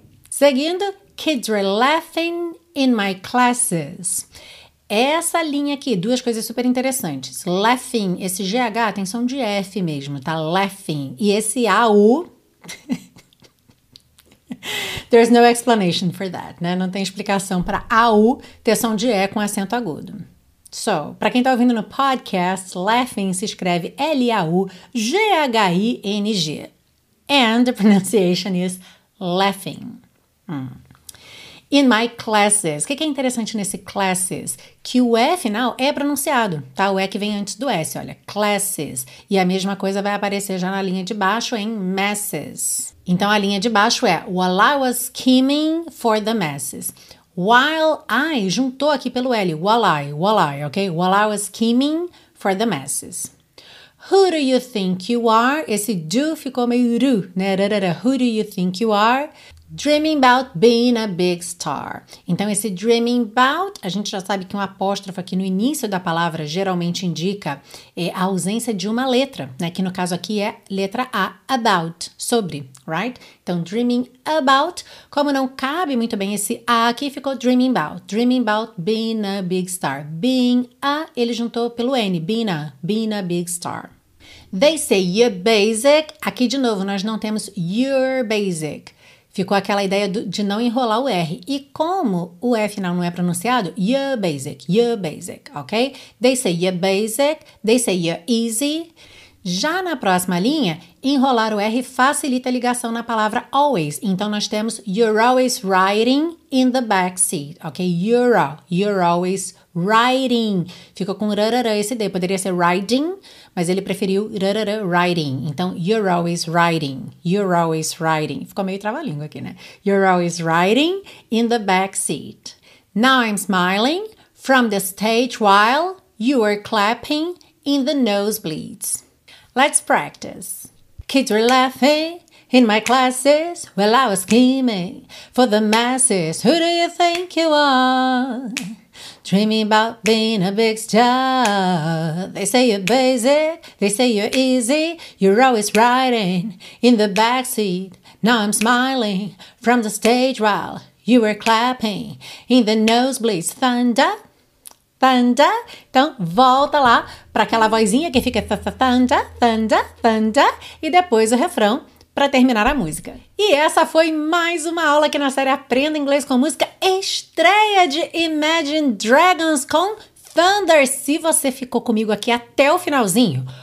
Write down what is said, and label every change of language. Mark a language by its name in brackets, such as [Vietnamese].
[Portuguese] Seguindo, [English] kids were laughing in my classes. [Portuguese] Essa linha aqui, duas coisas super interessantes. Laughing, esse GH tem som de F mesmo, tá? Laughing. E esse AU... [English] There's no explanation for that, né? [Portuguese] Não tem explicação para AU ter som de E com acento agudo. So, para quem tá ouvindo no podcast, laughing se escreve L-A-U-G-H-I-N-G. [English] And the pronunciation is laughing. In my classes. [Portuguese] O que é interessante nesse classes? Que o E final é pronunciado, tá? O E que vem antes do S, olha. Classes. E a mesma coisa vai aparecer já na linha de baixo em masses. Então, a linha de baixo é [English] while I was scheming for the masses. [Portuguese] While I juntou aqui pelo L. [English] While I, ok? While I was scheming for the masses. Who do you think you are? [Portuguese] Esse do ficou meio ru, né? [English] Who do you think you are? Dreaming about being a big star. [Portuguese] Então, esse dreaming about, a gente já sabe que um apóstrofo aqui no início da palavra geralmente indica a ausência de uma letra, né? Que no caso aqui é letra A, about, sobre, right? Então, dreaming about, como não cabe muito bem esse A aqui, ficou [English] dreaming about being a big star. [Portuguese] Being a, ele juntou pelo N, [English] being a big star. They say you're basic, [Portuguese] aqui de novo, nós não temos [English] you're basic. [Portuguese] Ficou aquela ideia de não enrolar o R. E como o E final não é pronunciado, [English] you're basic, [Portuguese] ok? [English] They say you're basic, they say you're easy. [Portuguese] Já na próxima linha, enrolar o R facilita a ligação na palavra always. Então, nós temos [English] you're always riding in the back seat, ok? You're always riding. [Portuguese] Ficou com rarara esse D. Poderia ser riding, mas ele preferiu rarara riding. [English] Então, you're always riding. [Portuguese] Ficou meio trava-língua aqui, né? [English] You're always riding in the back seat. Now I'm smiling from the stage while you are clapping in the nosebleeds. Let's practice. Kids were laughing in my classes while I was scheming for the masses. Who do you think you are? Dreaming about being a big star. They say you're basic. They say you're easy. You're always riding in the backseat. Now I'm smiling from the stage while you were clapping in the nosebleeds. Thunder. [Portuguese] Então, volta lá para aquela vozinha que fica thunder. E depois o refrão para terminar a música. E essa foi mais uma aula aqui na série Aprenda Inglês com Música. Estreia de Imagine Dragons com Thunder. Se você ficou comigo aqui até o finalzinho,